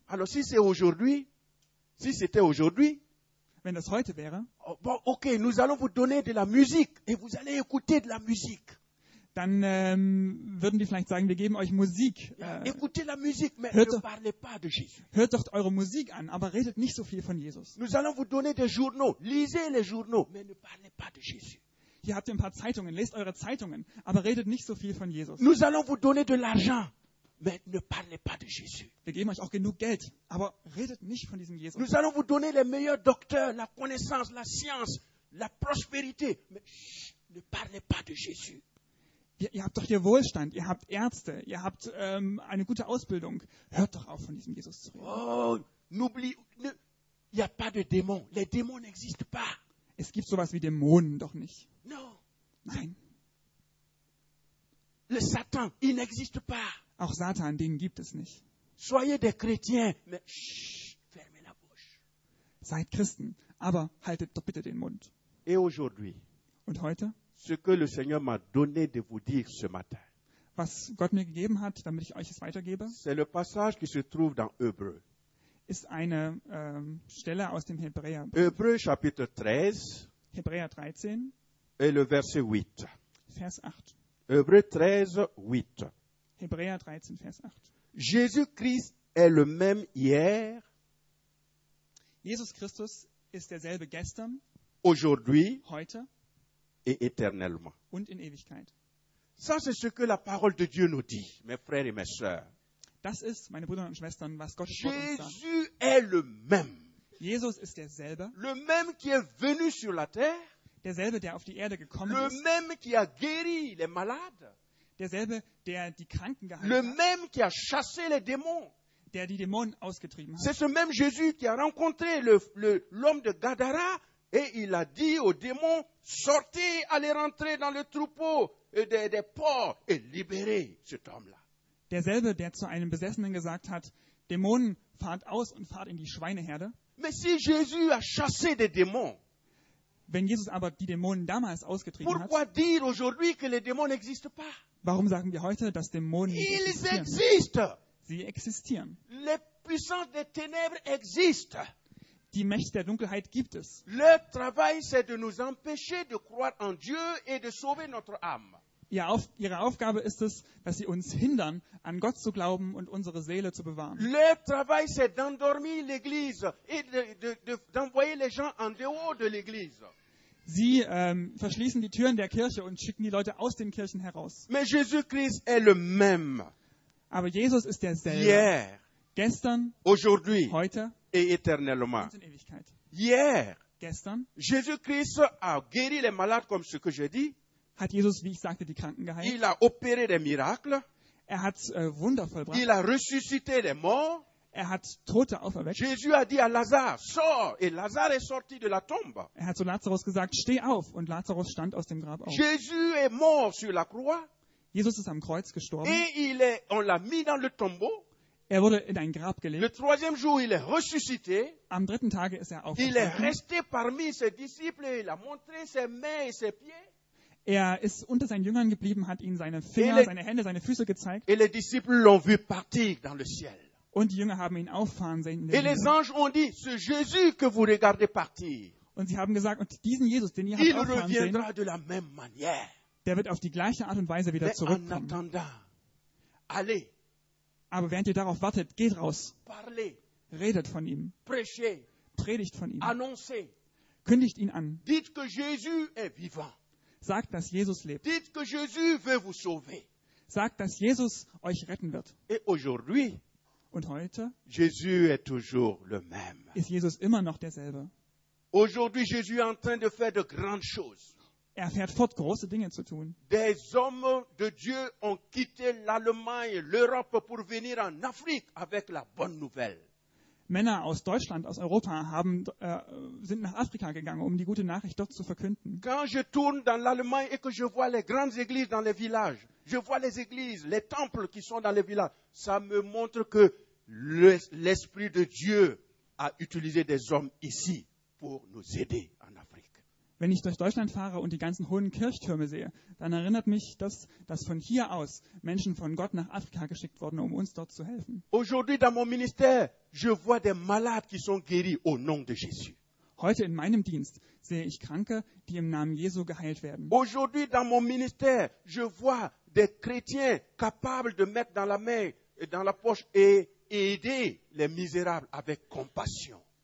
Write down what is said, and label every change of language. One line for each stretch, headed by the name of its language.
French: Alors, si c'est aujourd'hui, si c'était aujourd'hui,
German: wenn das heute wäre,
French: bon, okay, nous allons vous donner de la musique et vous allez écouter de la musique.
German: Dann würden die vielleicht sagen, wir geben euch Musik.
French: Écoutez la musique, mais
German: hört,
French: ne parlez pas de Jésus.
German: Hört doch eure Musik an, aber redet nicht so viel von Jesus.
French: Nous allons vous donner des journaux, lisez les journaux, mais ne parlez pas de Jésus.
German: Hier habt ihr ein paar Zeitungen, lest eure Zeitungen, aber redet nicht so viel von Jesus.
French: Nous allons vous donner de l'argent, mais ne parlez pas de Jésus.
German: Wir geben euch auch genug Geld, aber redet nicht von diesem Jesus.
French: Nous allons vous donner les meilleurs docteurs, la connaissance, la science, la prospérité, mais ne parlez pas de Jésus.
German: Ihr habt doch hier Wohlstand, ihr habt Ärzte, ihr habt eine gute Ausbildung. Hört doch auf, von diesem Jesus zu reden.
French: Oh, n'oublie, il n'y a pas de démons. Les démons n'existent pas.
German: Es gibt sowas wie Dämonen doch nicht. No. Nein.
French: Le Satan, il n'existe pas.
German: Auch Satan, den gibt es nicht.
French: Soyez des chrétiens, mais fermez la bouche.
German: Seid Christen, aber haltet doch bitte den Mund.
French: Et aujourd'hui.
German: Und heute?
French: Ce que le Seigneur m'a donné de vous dire ce matin.
German: Was Gott mir gegeben hat, damit ich euch es weitergebe.
French: C'est le passage qui se trouve dans Hébreux.
German: Ist eine Stelle aus dem Hebräer.
French: Hébreux chapitre 13. Hébreux 13. Et le verset 8.
German: Vers 8.
French: Hébreux 13, 8.
German: Hébreux 13, vers 8.
French: Jésus-Christ est le même hier.
German: Jesus Christus ist derselbe gestern.
French: Aujourd'hui.
German: Heute.
French: Et éternellement.
German: Und in Ewigkeit.
French: Ça, c'est ce que la parole de Dieu nous dit, mes frères et mes sœurs.
German: Das ist, meine Brüder und Schwestern, was Gott
French: Jésus est le même.
German: Jesus ist derselbe.
French: Le même qui est venu sur la terre.
German: Derselbe, der auf die Erde gekommen
French: le
German: ist.
French: Le même qui a guéri les malades.
German: Derselbe, der die Kranken geheilt
French: le
German: hat.
French: Le même qui a chassé les démons.
German: Der die Dämonen ausgetrieben
French: c'est
German: hat.
French: C'est ce même Jésus qui a rencontré l'homme de Gadara. Et il a dit aux démons, sortez, allez rentrer dans le troupeau des porcs et libérez cet homme-là.
German: Derselbe, der zu einem Besessenen gesagt hat, Dämonen, fahrt aus und fahrt in die Schweineherde.
French: Mais si Jésus a chassé des démons,
German: wenn Jesus aber die Dämonen damals ausgetrieben hat,
French: pourquoi dire aujourd'hui que les démons n'existent pas?
German: Warum sagen wir heute, dass Dämonen nicht existieren?
French: Ils existent.
German: Sie existieren.
French: Les puissances des ténèbres existent.
German: Die Mächte der Dunkelheit gibt es.
French: Leur travail, c'est de nous empêcher de croire en Dieu et de sauver notre âme.
German: Ihre Aufgabe ist es, dass sie uns hindern, an Gott zu glauben und unsere Seele zu bewahren.
French: Leur travail, c'est d'endormir l'église et d'envoyer les gens en dehors de l'église.
German: Sie verschließen die Türen der Kirche und schicken die Leute aus den Kirchen heraus.
French: Mais Jésus-Christ est le même.
German: Aber Jesus ist derselbe.
French: Hier.
German: Gestern.
French: Aujourd'hui.
German: Heute.
French: Et éternellement.
German: In Ewigkeit.
French: Hier,
German: gestern,
French: Jésus-Christ a guéri les malades comme ce que j'ai dit.
German: Hat Jesus, wie ich sagte, die Kranken geheilt.
French: Il a opéré des miracles.
German: Er hat Wunder vollbracht.
French: Il a ressuscité les morts.
German: Er hat Tote auferweckt.
French: Jésus a dit à Lazare, sors, et Lazare est sorti de la tombe.
German: Er hat zu Lazarus gesagt, steh auf, und Lazarus stand aus dem Grab auf.
French: Jésus est mort sur la croix.
German: Jesus ist am Kreuz gestorben.
French: Et il est, on l'a mis dans le tombeau.
German: Er wurde in ein Grab gelegt.
French: Le troisième jour, il est ressuscité.
German: Am dritten Tage ist er auferstanden.
French: Il est resté parmi ses disciples, il a montré ses mains et ses pieds.
German: Er ist unter seinen Jüngern geblieben, hat ihnen seine Finger, seine Hände, seine Füße gezeigt.
French: Et les disciples l'ont vu partir dans le ciel.
German: Und die Jünger haben ihn auffahren sehen.
French: Et les anges ont dit, ce Jésus que vous regardez partir.
German: Und sie haben gesagt, und diesen Jesus, den ihr habt auffahren sehen.
French: Il reviendra de la même manière.
German: Der wird auf die gleiche Art und Weise wieder
French: Mais
German: zurückkommen.
French: En attendant, allez.
German: Aber während ihr darauf wartet, geht raus.
French: Parlez.
German: Redet von ihm.
French: Prêchez.
German: Predigt von ihm.
French: Annoncez.
German: Kündigt ihn an.
French: Dites que Jésus est vivant.
German: Sagt, dass Jesus lebt.
French: Dites que Jésus veut vous sauver.
German: Sagt, dass Jesus euch retten wird.
French: Et aujourd'hui,
German: und heute,
French: Jésus est toujours le même.
German: Ist Jesus immer noch derselbe.
French: Aujourd'hui, Jésus est en train de faire de grandes choses.
German: Er fährt fort, große Dinge zu tun.
French: Des hommes de Dieu ont quitté l'Allemagne, l'Europe pour venir en Afrique avec la bonne nouvelle.
German: Männer aus Deutschland, aus Europa haben, sind nach Afrika gegangen, um die gute Nachricht dort zu verkünden.
French: Quand je tourne dans l'Allemagne et que je vois les grandes églises dans les villages, je vois les églises, les temples qui sont dans les villages, ça me montre que l'Esprit de Dieu a utilisé des hommes ici pour nous aider en Afrique.
German: Wenn ich durch Deutschland fahre und die ganzen hohen Kirchtürme sehe, dann erinnert mich das, dass von hier aus Menschen von Gott nach Afrika geschickt wurden, um uns dort zu helfen.
French: Aujourd'hui dans mon ministère, je vois des malades qui sont guéris au nom de Jésus.
German: Heute in meinem Dienst sehe ich Kranke, die im Namen Jesu geheilt werden.
French: Aujourd'hui dans mon ministère, je vois des chrétiens capables de mettre dans la main et dans la poche et aider les misérables avec compassion.